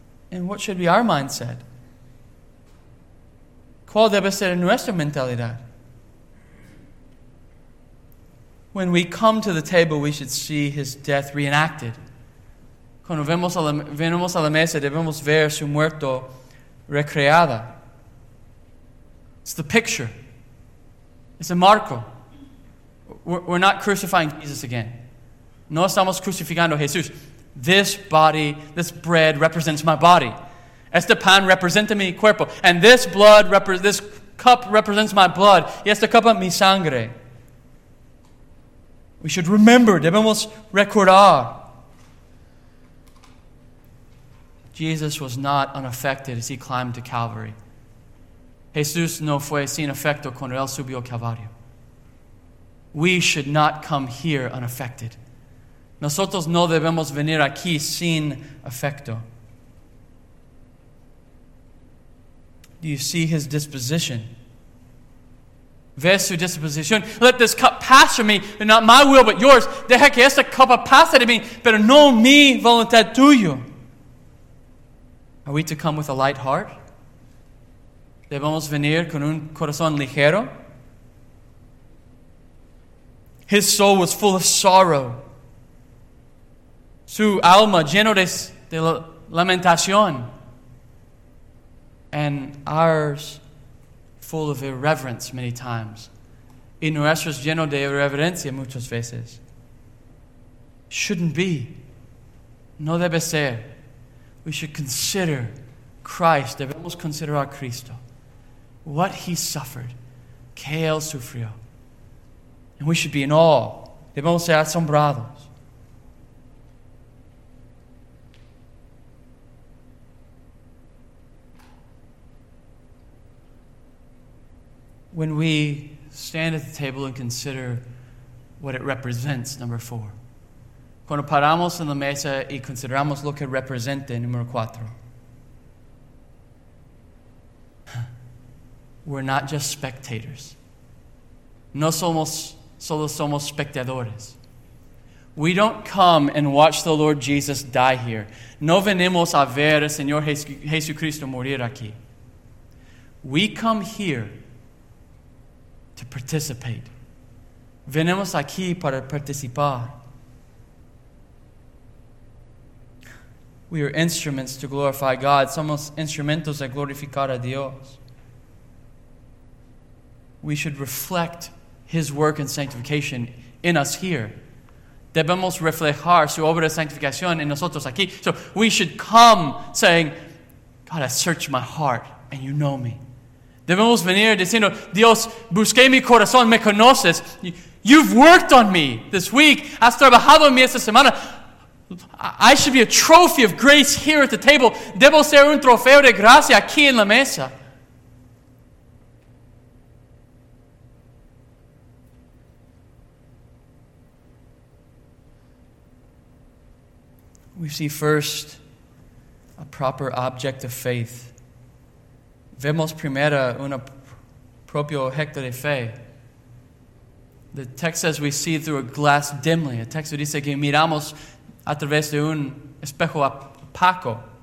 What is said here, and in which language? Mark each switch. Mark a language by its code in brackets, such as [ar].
[en] And what should be our mindset? [es] ¿Cuál debe ser nuestra mentalidad? [en] When we come to the table, we should see his death reenacted. [es] Cuando venimos a la mesa, debemos ver su muerto recreada. [en] It's the picture. It's a marco. We're not crucifying Jesus again. [es] No estamos crucificando a Jesús. [en] This body, this bread represents my body. [es] Este pan representa mi cuerpo. [en] And this blood, this cup represents my blood. [es] Y esta copa mi sangre. [en] We should remember. [es] Debemos recordar. [en] Jesus was not unaffected as he climbed to Calvary. [es] Jesús no fue sin efecto cuando él subió al Calvario. [en] We should not come here unaffected. [es] Nosotros no debemos venir aquí sin efecto. [en] Do you see his disposition? [es] Ves su disposición. [en] Let this cup pass from me, but not my will but yours. [es] Deja que esta copa pase de mí, pero no mi voluntad tuya. [en] Are we to come with a light heart? [es] ¿Debemos venir con un corazón ligero? [en] His soul was full of sorrow. [es] Su alma lleno de lamentación. [en] And ours full of irreverence many times. [es] Y nuestros lleno de irreverencia muchas veces. [en] Shouldn't be. [es] No debe ser. [en] We should consider Christ. [es] Debemos considerar a Cristo. [en] What he suffered. [es] Que él sufrió. [en] And we should be in awe. [es] Debemos ser asombrados. [en] When we stand at the table and consider what it represents, number four. [es] Cuando paramos en la mesa y consideramos lo que representa, número cuatro. [en] We're not just spectators. [es] No somos, solo somos espectadores. [en] We don't come and watch the Lord Jesus die here. [es] No venimos a ver al Señor Jesucristo morir aquí. [en] We come here to participate. [es] Venimos aquí para participar. [en] We are instruments to glorify God. [es] Somos instrumentos de glorificar a Dios. [en] We should reflect his work in sanctification in us here. [es] Debemos reflejar su obra de sanctificación en nosotros aquí. [en] So we should come saying, God, I search my heart and you know me. [es] Debemos venir diciendo, Dios, busqué mi corazón, me conoces. [en] You've worked on me this week. [es] Has trabajado en mí esta semana. [en] I should be a trophy of grace here at the table. [es] Debo ser un trofeo de gracia aquí en la mesa. [en] We see first a proper object of faith. [es] Vemos primero un propio objeto de fe. [en] The text says we see through a glass dimly. [es] El texto dice que miramos a través de un espejo opaco.